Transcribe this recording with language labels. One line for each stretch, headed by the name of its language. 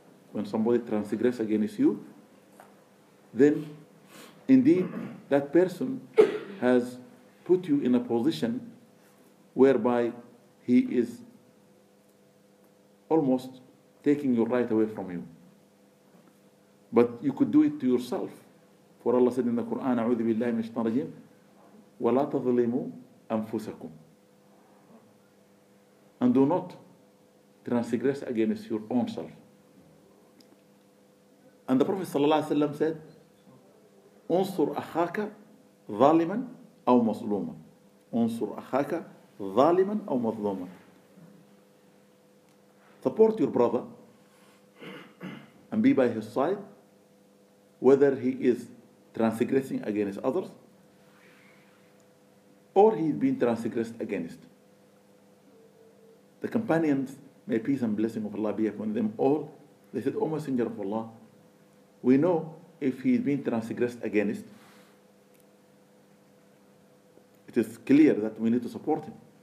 English: When somebody transgresses against you, then indeed that person has put you in a position whereby he is almost taking your right away from you. But you could do it to yourself. For Allah said in the Quran,
Arabic: أعوذ بالله من الشيطان الرجيم وَلَا تَظْلِمُوا أَنفُسَكُمْ.
English: And do not transgress against your own self. And the Prophet ﷺ said,
Arabic: أُنصُرْ أَخَاكَ ظَالِمًا أَوْ مَظْلُومًا. أُنصُرْ أَخَاكَ ظَالِمًا أَوْ مَظْلُومًا.
English: Support your brother and be by his side, whether he is transgressing against others or he's been transgressed against. The companions, may peace and blessing of Allah be upon them all, they said, O Messenger of Allah, we know if he's been transgressed against, it is clear that we need to support him.